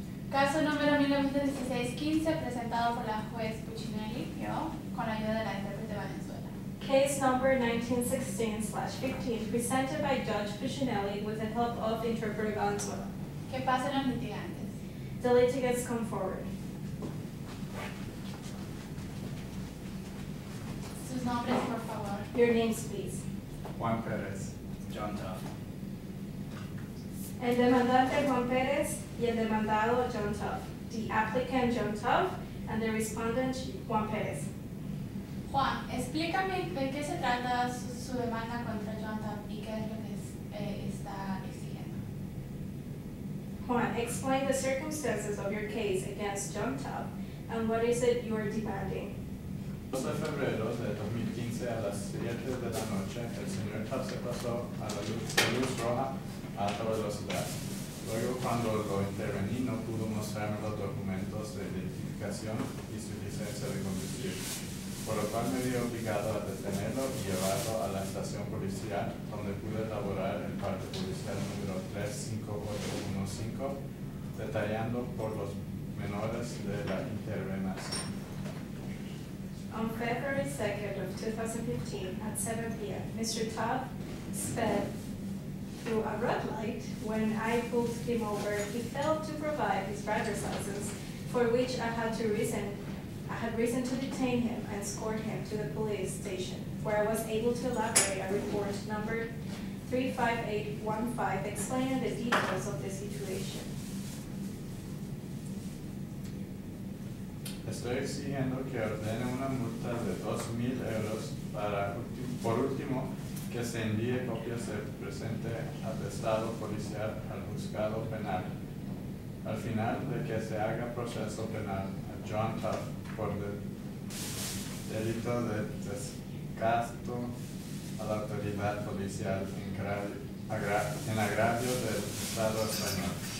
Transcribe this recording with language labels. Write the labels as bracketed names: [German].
[Spanish] Caso número 1916-15, presentado por la juez Puccinelli, con la ayuda de la intérprete Valenzuela. [English] Case number 1916/15, presented by Judge Puccinelli with the help of interpreter Valenzuela. [Spanish] Que pasen los litigantes. [English] The litigants come forward. [Spanish] Sus nombres, por favor. [English] Your names, please. [Spanish] Juan Perez. John Tough. El demandante Juan Perez y el demandado John Tough. [English] The applicant John Tough and the respondent Juan Perez. [Spanish] Juan, explícame de qué se trata su demanda contra John Tough y qué es lo que está exigiendo. [English] Juan, explain the circumstances of your case against John Tough and what is it you are demanding. [Spanish] 12 de febrero de 2015 a las 7 de la noche, el señor Tough se pasó a la luz roja a alta velocidad. Luego, cuando lo intervení, no pudo mostrarme los documentos de identificación y su licencia de conducir, por lo cual me vi obligado a detenerlo y llevarlo a la estación policial, donde pude elaborar el parte policial número 35815, detallando por los menores de la intervención. [English] On February 2nd of 2015, at 7 p.m., Mr. Tough sped through a red light. When I pulled him over, he failed to provide his driver's license, for which I had reason to detain him and escort him to the police station, where I was able to elaborate a report number 35815, explaining the details of the situation. [Spanish] Estoy exigiendo que ordene una multa de 2,000 euros por último, que se envíe copias del presente atestado policial al juzgado penal. Al final de que se haga proceso penal a John Tough por delito de desacato a la autoridad policial en agravio del Estado español.